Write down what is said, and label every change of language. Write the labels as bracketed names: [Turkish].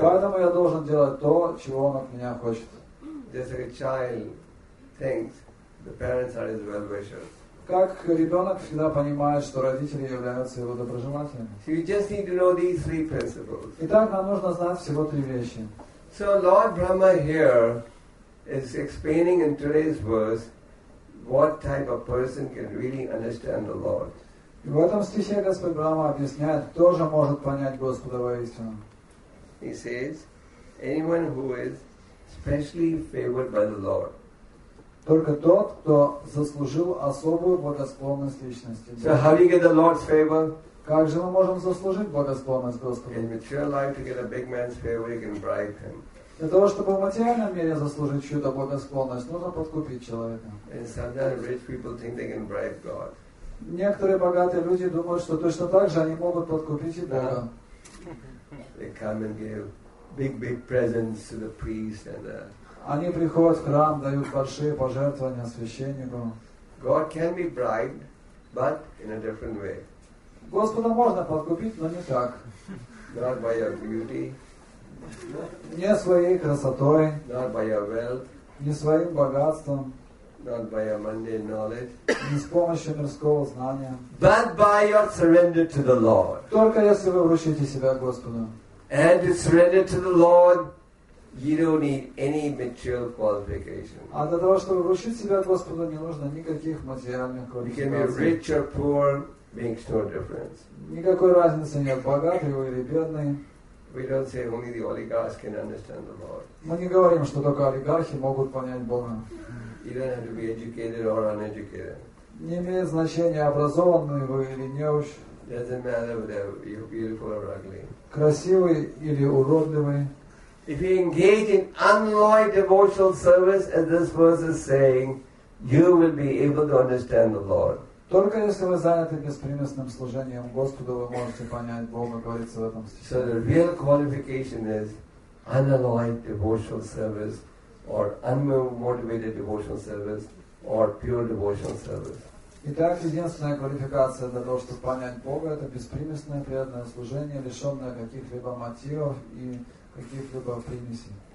[Russian] Поэтому я должен делать то, чего он от меня хочет. [English] Just like a child thinks the parents are his well-wishers. [Russian] Как ребенок всегда понимает, что родители являются его доброжелателями. [English] So you just need to know these three principles. [Russian] Итак, нам нужно знать всего три вещи. [English] So Lord Brahma here is explaining in today's verse what type of person can really understand the Lord. [Russian] И в этом стихе Господь Брама объясняет, кто же может понять Господа воистину. [English] He says, anyone who is specially favored by the Lord. [Russian] Только тот, кто заслужил особую благосклонность личности. [English] So how do you get the Lord's favor? [Russian] Как же мы можем заслужить благосклонность Господа? [English] In material life, to get a big man's favor, you can bribe him. [Russian] Для того, чтобы в материальном мире заслужить чью-то благосклонность, нужно подкупить человека. [English] And sometimes rich people think they can bribe God. [Russian] Некоторые богатые люди думают, что точно так же они могут подкупить и Бога. [English] They come and give big presents to the priest and the... [Russian] Они приходят в храм, дают большие пожертвования священнику. [English] God can be bribed, but in a different way. [Russian] Господа можно подкупить, но не так. [English] Not by your beauty. [Russian] Не своей красотой, [English] not by your wealth, [Russian] не своим богатством, [English] not by your mundane knowledge, [Russian] не с помощью мирского знания, [English] but by your surrender to the Lord. [Russian] Только если вы вручите себя Господу. [English] And to surrender to the Lord, you don't need any material qualification. [Russian] А для того, чтобы вручить себя Господу, не нужно никаких материальных квалификаций. [English] You can be rich or poor, makes no difference. [Russian] Никакой разницы нет, богатый вы или бедный. [English] We don't say only the oligarchs can understand the Lord. [Russian] Мы не говорим, что только олигархи могут понять Бога. [English] You don't have to be educated or uneducated. [Russian] Не имеет значения, образованный вы или не уж. [English] Doesn't matter whether you're beautiful or ugly. [Russian] Красивый или уродливый. [English] If you engage in unalloyed devotional service, as this verse is saying, you will be able to understand the Lord. [Russian] Только если вы заняты беспримесным служением Господу, вы можете понять Бога, говорится в этом стихе. [English] So the real qualification is unalloyed devotional service or unmotivated devotional service or pure devotional service. [Russian] Итак, единственная квалификация для того, чтобы понять Бога, это беспримесное преданное служение, лишенное каких-либо мотивов и каких-либо примесей.